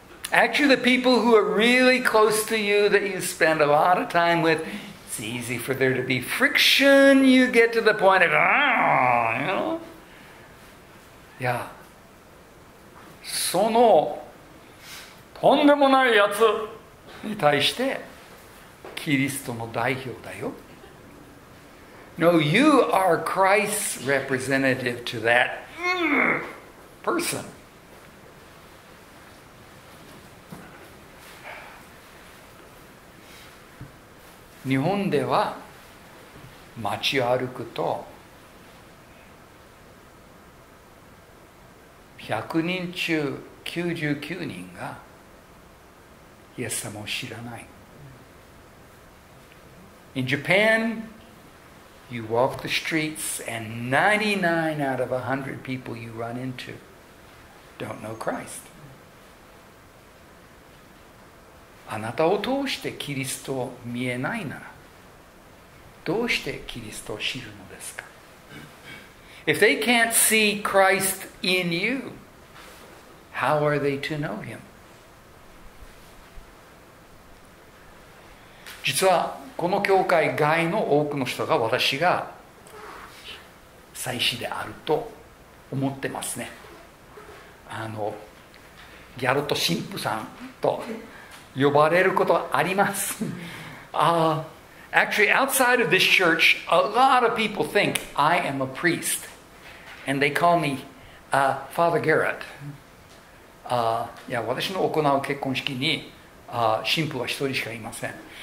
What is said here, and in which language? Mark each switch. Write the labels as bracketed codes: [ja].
[en] Actually, the people who are really close to you that you spend a lot of time with. It's easy for there to be friction. You get to the point of, you know. Yeah. [ja] そのとんでもないやつに対してキリストの代表だよ。 [en] No, you are Christ's representative to that person. [ja] 日本では街を歩くと100人中99人がイエス様を知らない。 [en] In Japan, you walk the streets and 99 out of 100 people you run into don't know Christ. [ja] あなたを通してキリストを見えないならどうしてキリストを知るのですか? [en] If they can't see Christ in you, how are they to know him? [ja] 実はこの教会外の多くの人が私が祭司であると思ってますね。あのギャルト神父さんと呼ばれることはあります。ああ。 [en] Actually, outside of this church, a lot of people think I am a priest. And they call me Father Garrett. [ja] Yeah, 私の行う結婚式に神父は一人しかいません。